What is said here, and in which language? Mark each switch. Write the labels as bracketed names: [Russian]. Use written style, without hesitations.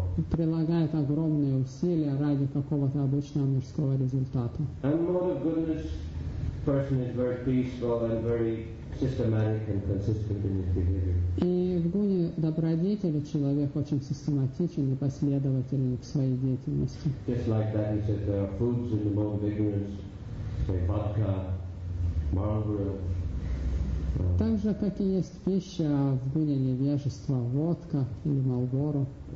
[Russian] Прилагает огромные усилия ради какого-то обычного мирского результата. [English] And mode of goodness person is very peaceful and very systematic and consistent in his behavior. [Russian] И в гуне добродетели человек очень систематичен и последователен в своей деятельности. [English] Just like that, he says there are foods in the mode of ignorance, say vodka, Marlboro. [Russian] Так же, как и есть пища в гуне невежества, водка или Малборо.